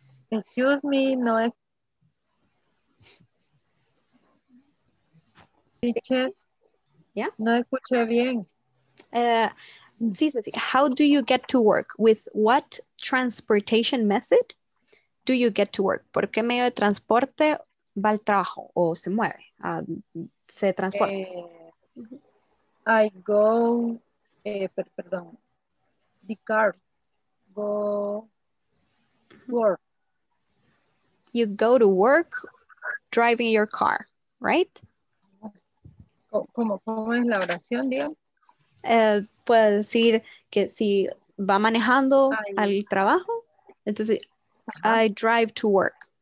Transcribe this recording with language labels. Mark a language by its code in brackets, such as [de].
[en] Excuse me, no. Teacher? Yeah? [es] No escuché bien. [en] Sí. How do you get to work? With what transportation method do you get to work? [es] ¿Por qué medio de transporte va al trabajo o se mueve? Se transporta. [en] I go, perdón, the car, go work. You go to work driving your car, right? [es] ¿Cómo es la oración, Dios? Puedo decir que si va manejando al trabajo, entonces [en] I drive to work.